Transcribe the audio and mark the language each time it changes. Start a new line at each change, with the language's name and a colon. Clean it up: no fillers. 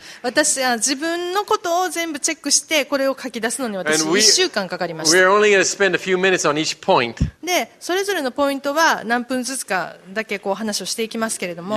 Japanese: 私は自分のことを全部チェックしてこれを書き出すのに私1週間かかりました。
English: We're only going to spend a few minutes on each point.
Japanese: で、それぞれのポイントは何分ずつかだけこう話をしていきますけれども。